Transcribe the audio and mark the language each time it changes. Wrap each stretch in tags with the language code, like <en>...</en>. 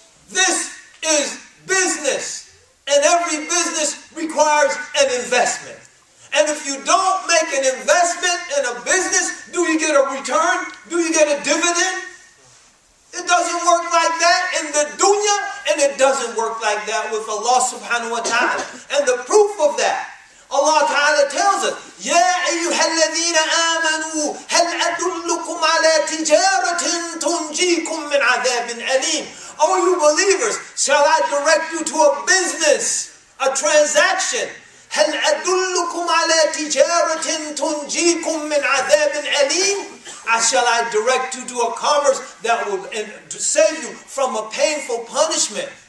<en>This is business, and every business requires an investment. And if you don't make an investment in a business, do you get a return? Do you get a dividend? It doesn't work like that in the dunya, and it doesn't work like that with Allah subhanahu wa ta'ala. And the proof of that, Allah ta'ala tells us,</en> <ar>يَا أَيُّهَا الَّذِينَ آمَنُوا هَلْ أَدُلُّكُمْ عَلَىٰ تِجَارَةٍ تُنْجِيكُمْ مِنْ عَذَابٍ أَلِيمٍ.</ar> <en>Oh, you believers, shall I direct you to a business, a transaction?</en> <ar>هَلْ أَدُلُّكُمْ عَلَىٰ تِجَارَةٍ تُنْجِيكُمْ مِنْ عَذَابٍ أَلِيمٍ.</ar> <en>Shall I direct you to a commerce that will save you from a painful punishment?</en>